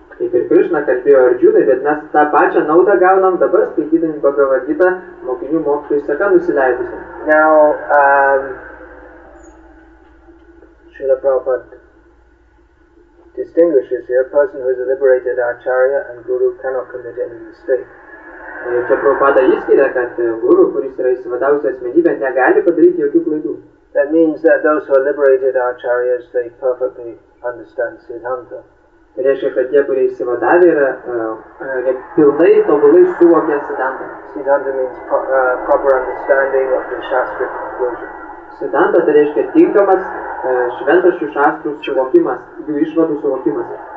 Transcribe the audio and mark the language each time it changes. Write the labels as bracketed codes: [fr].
[lt] Kaip ir Krishna kalbėjo Arjunai, bet mes tą pačią naudą gaunam dabar skaitydami Bhagavad Gita mokinių mokytojų seka nusileidusi. [en] Now, Srila Prabhupada distinguishes here, a person who is a liberated acharya and guru cannot commit any mistake. [lt] Čia Prabhupada išskiria, kad guru, kuris yra išsivadavusi asmenybė, negali padaryti jokių klaidų. [en] That means that those who are liberated acharyas, they perfectly understand Siddhanta. [lt] Tai reiškia, kad tie, kurie išsivadavę, yra pilnai, tobulai suvokę Siddhanta. [en] Siddhanta means proper understanding of the Shastric conclusion. [lt] Siddhanta tai reiškia tinkamas šventraščių šastrų suvokimas, jų išvadų suvokimas.